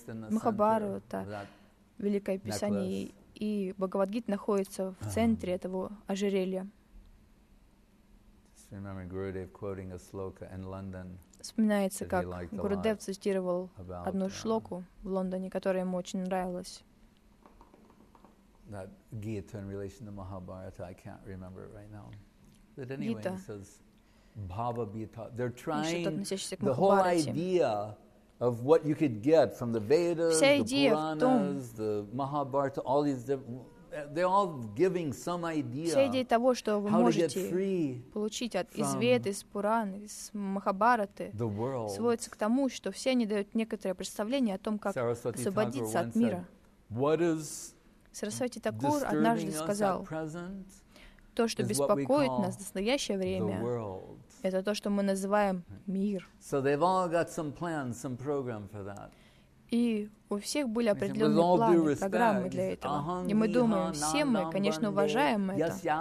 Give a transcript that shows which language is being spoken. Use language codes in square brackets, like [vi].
[ru] Махабхарата, великое писание, и Бхагавадгита находится в центре этого ожерелья. [en] remember Gurudev quoting a sloka in London. [ru] Вспоминается, как Гурудев цитировал одну шлоку в Лондоне, которая ему очень нравилась. [en] That Gita in relation to Mahabharata, I can't remember it right now. But anyway, Gita. He says, Bhava Bhita. They're trying the whole idea of what you could get from the Vedas, the Puranas, the Mahabharata, all these different... They're all giving some idea. [ru] Вся идея того, что вы можете получить от Вед, из Пуран, из Махабхараты, сводится к тому, что все они дают некоторое представление о том, как освободиться от мира. Сарасвати Такур однажды сказал, то, что беспокоит нас в настоящее время, это то, что мы называем мир. [en] So they've all got some plan, some program for that. [ru] И у всех были определенные планы, программы для этого. И мы думаем, все мы, конечно, уважаем это.